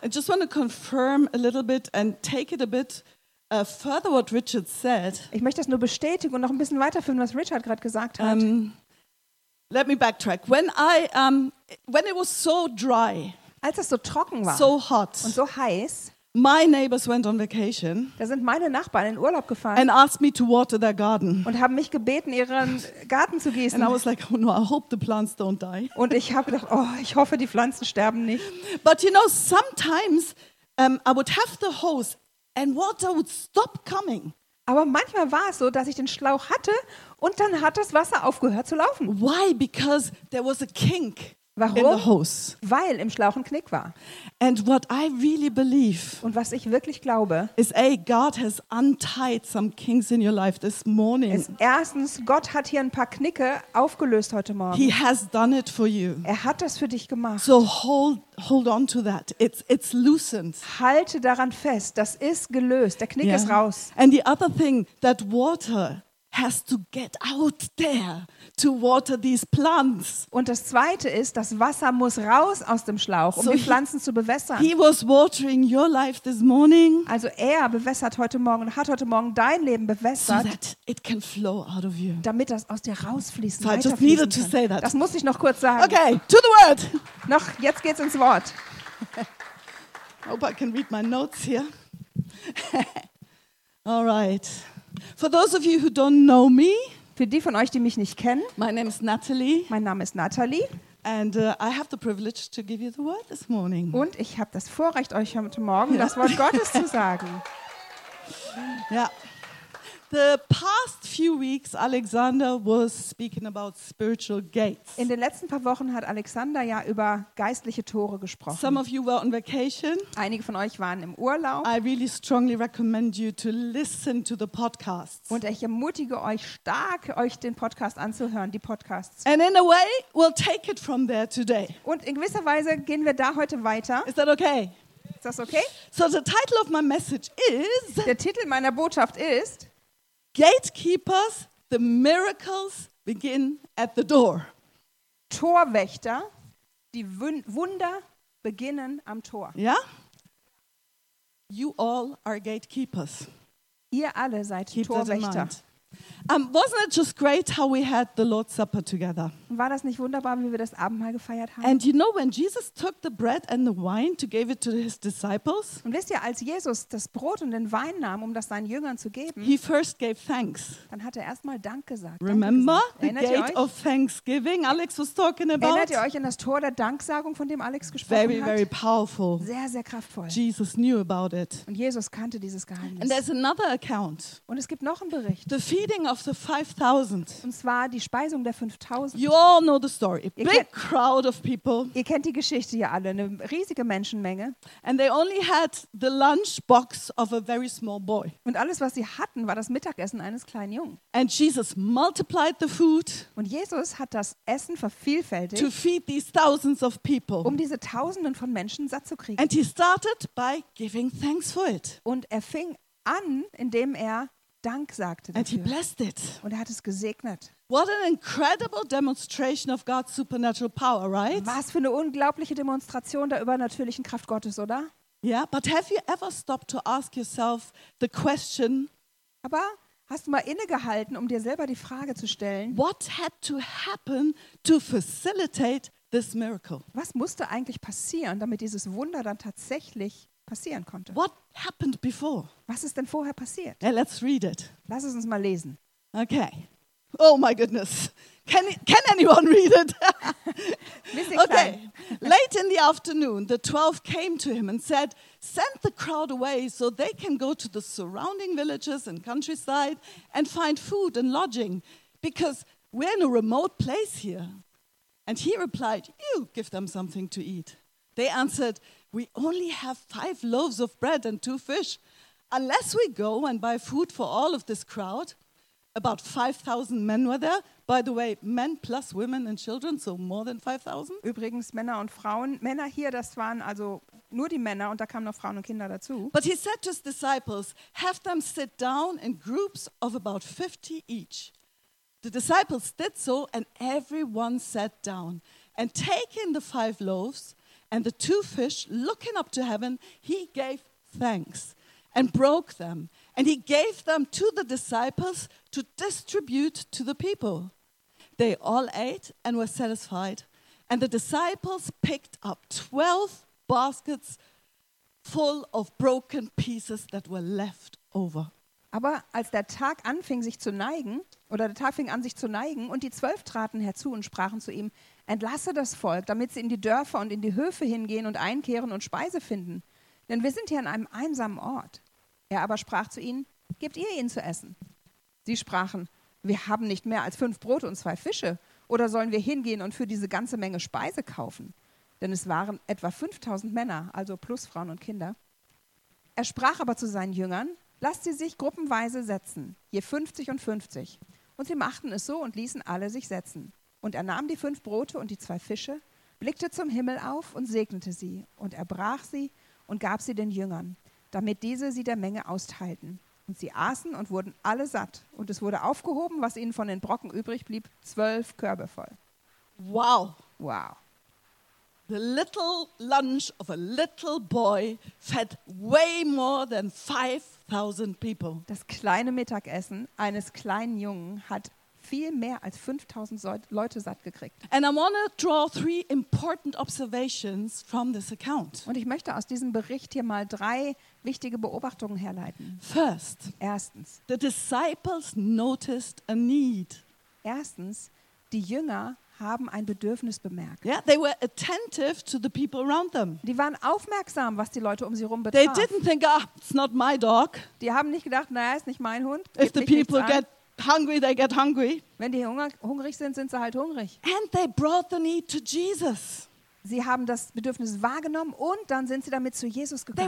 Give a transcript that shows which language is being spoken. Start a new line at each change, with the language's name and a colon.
English: I just want to confirm a little bit and take it a bit further what Richard said.
German: Ich möchte das nur bestätigen und noch ein bisschen weiterführen, was Richard gerade gesagt hat.
English: Let me backtrack. When it was so dry.
German: Als es so trocken war.
English: So hot.
German: Und so heiß.
English: My neighbors went on vacation.
German: Da sind meine Nachbarn in Urlaub gefahren.
English: And asked me to water their garden.
German: Und haben mich gebeten, ihren Garten zu gießen.
English: And I was like, oh no, I hope the plants don't die.
German: Und ich habe gedacht, oh, ich hoffe, die Pflanzen sterben nicht.
English: But you know, sometimes I would have the hose and water would stop coming.
German: Aber manchmal war es so, dass ich den Schlauch hatte und dann hat das Wasser aufgehört zu laufen.
English: Why? Because there was a kink.
German: Warum?
English: In the hose.
German: Weil im Schlauch ein Knick war.
English: And what I really believe,
German: und was ich wirklich glaube, ist,
English: hey, God has untied some kinks in your life this morning.
German: Ist erstens, Gott hat hier ein paar Knicke aufgelöst heute Morgen.
English: He has done it for you.
German: Er hat das für dich gemacht.
English: So hold on to that. It's loosened.
German: Halte daran fest. Das ist gelöst. Der Knick ist raus.
English: And the other thing, that water has to get out there to water these plants.
German: Und das zweite ist, das Wasser muss raus aus dem Schlauch, um so die Pflanzen zu bewässern.
English: He was watering your life this morning.
German: Also er bewässert heute Morgen, hat heute Morgen dein Leben bewässert.
English: So that it can flow out of you.
German: Damit das aus dir rausfließen, so weiterfließen kann.
English: I just needed to say that.
German: Das muss ich noch kurz sagen.
English: Okay, to the word.
German: Noch, jetzt geht's ins Wort.
English: Hope I can read my notes here. All right. For those of you who don't know me,
German: für die von euch, die mich nicht kennen,
English: my name is Natalie.
German: Mein Name ist Natalie.
English: And I have the privilege to give you the word this morning.
German: Und ich habe das Vorrecht, euch heute Morgen das Wort Gottes zu sagen.
English: Yeah. The past few weeks, Alexander was speaking about spiritual gates.
German: In den letzten paar Wochen hat Alexander ja über geistliche Tore gesprochen.
English: Some of you were on vacation.
German: Einige von euch waren im Urlaub.
English: I really strongly recommend you to listen to the podcasts.
German: Und ich ermutige euch stark, euch den Podcast anzuhören, die Podcasts.
English: And in a way, we'll take it from there today.
German: Und in gewisser Weise gehen wir da heute weiter.
English: Is that okay?
German: Ist das okay?
English: So the title of my message is.
German: Der Titel meiner Botschaft ist.
English: Gatekeepers, the miracles begin at the door.
German: Torwächter, die Wunder beginnen am Tor.
English: Yeah? You all are gatekeepers.
German: Ihr alle seid
English: Keep
German: Torwächter.
English: Wasn't it just great how we had the Lord's Supper together?
German: War das nicht wunderbar, wie wir das Abendmahl gefeiert haben?
English: And you know when Jesus took the bread and the wine to give it to his disciples?
German: Und wisst ihr, als Jesus das Brot und den Wein nahm, um das seinen Jüngern zu geben?
English: He first gave thanks.
German: Dann hat er erstmal Dank gesagt.
English: Remember the gate of thanksgiving Alex was talking about?
German: Erinnert ihr euch an das Tor der Danksagung, von dem Alex gesprochen hat?
English: Very very powerful.
German: Sehr sehr kraftvoll.
English: Jesus knew about it.
German: Und Jesus kannte dieses Geheimnis.
English: And there's another account.
German: Und es gibt noch einen Bericht.
English: The feeding of the 5,000.
German: Und zwar die Speisung der 5,000.
English: You all know the story. A big crowd of people.
German: Ihr kennt die Geschichte ja alle, eine riesige Menschenmenge.
English: And they only had the lunch box of a very small boy.
German: Und alles, was sie hatten, war das Mittagessen eines kleinen Jungen.
English: And Jesus multiplied the food.
German: Und Jesus hat das Essen vervielfältigt.
English: To feed these thousands of people.
German: Um diese Tausenden von Menschen satt zu kriegen.
English: And he started by giving thanks for it.
German: Und er fing an, indem er Dank sagte dafür.
English: And he blessed it.
German: Und er hat es gesegnet.
English: What an incredible demonstration of God's supernatural power, right?
German: Was für eine unglaubliche Demonstration der übernatürlichen Kraft Gottes, oder?
English: Yeah, but have you ever stopped to ask yourself the question?
German: Aber hast du mal innegehalten, um dir selber die Frage zu stellen?
English: What had to happen to facilitate this miracle?
German: Was musste eigentlich passieren, damit dieses Wunder dann tatsächlich passieren konnte?
English: What happened before?
German: Was ist denn vorher passiert?
English: Yeah, let's read it.
German: Lass es uns mal lesen.
English: Okay. Oh my goodness. Can anyone read it? Okay. Late in the afternoon, the 12 came to him and said, "Send the crowd away so they can go to the surrounding villages and countryside and find food and lodging, because we're in a remote place here." And he replied, "You give them something to eat." They answered, "We only have 5 loaves of bread and 2 fish. Unless we go and buy food for all of this crowd." About 5,000 men were there. By the way, men plus women and children, so more than 5,000.
German: Übrigens, Männer und Frauen. Männer hier, das waren also nur die Männer und da kamen noch Frauen und Kinder dazu.
English: But he said to his disciples, have them sit down in groups of about 50 each. The disciples did so and everyone sat down. And taking the 5 loaves and the 2 fish, looking up to heaven, he gave thanks and broke them. And he gave them to the disciples to distribute to the people. They all ate and were satisfied. And the disciples picked up 12 baskets full of broken pieces that were left over.
German: Aber als der Tag anfing, sich zu neigen, oder der Tag fing an, sich zu neigen, und die 12 traten herzu und sprachen zu ihm, entlasse das Volk, damit sie in die Dörfer und in die Höfe hingehen und einkehren und Speise finden. Denn wir sind hier an einem einsamen Ort. Er aber sprach zu ihnen, gebt ihr ihnen zu essen. Sie sprachen, wir haben nicht mehr als 5 Brote und 2 Fische. Oder sollen wir hingehen und für diese ganze Menge Speise kaufen? Denn es waren etwa 5000 Männer, also plus Frauen und Kinder. Er sprach aber zu seinen Jüngern, lasst sie sich gruppenweise setzen, je 50 und 50. Und sie machten es so und ließen alle sich setzen. Und er nahm die 5 Brote und die 2 Fische, blickte zum Himmel auf und segnete sie. Und er brach sie und gab sie den Jüngern, damit diese sie der Menge austeilten. Und sie aßen und wurden alle satt. Und es wurde aufgehoben, was ihnen von den Brocken übrig blieb, 12 Körbe voll. Wow. Wow.
English: The little lunch of a little boy fed way more than 5,000 people.
German: Das kleine Mittagessen eines kleinen Jungen hat viel mehr als 5,000 Leute satt gekriegt.
English: And I want to draw 3 important observations from this account.
German: Und ich möchte aus diesem Bericht hier mal 3 wichtige Beobachtungen herleiten.
English: First,
German: erstens,
English: the disciples noticed a need.
German: Erstens, die Jünger haben ein Bedürfnis bemerkt.
English: Yeah, they were attentive to the people around them.
German: Die waren aufmerksam, was die Leute um sie herum betraf.
English: They didn't think, ah, it's not my dog.
German: Die haben nicht gedacht, naja, ist nicht mein Hund.
English: If the people get hungry, they get hungry.
German: Wenn die hungrig sind, sind sie halt hungrig.
English: And they brought the need to Jesus.
German: Sie haben das Bedürfnis wahrgenommen und dann sind sie damit zu Jesus gekommen.